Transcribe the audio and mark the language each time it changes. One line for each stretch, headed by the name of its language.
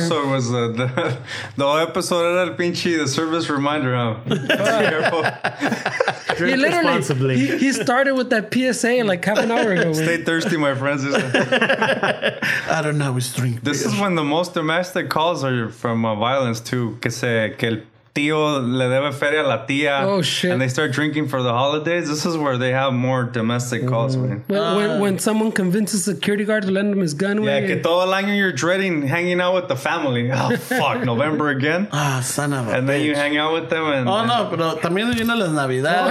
English: The whole episode was the whole episode
Spanish: era el pinche
English: the service reminder. Huh? Drink responsibly. He started with that PSA like half an hour ago. Stay thirsty, my friends. I don't know. It's drink. This is when the most domestic calls are from violence too.
Spanish: Que el tío le debe feria a la tía.
English: Oh, shit. And they start drinking for the holidays. This is where they have more domestic calls, man. When someone convinces security guard to lend him his gun, yeah,
Spanish: que todo el año
English: you're dreading hanging out with the family. Oh, fuck. November again? Ah, son of a And then bitch. You hang out with them and...
Spanish: Oh, no, pero también viene las navidades.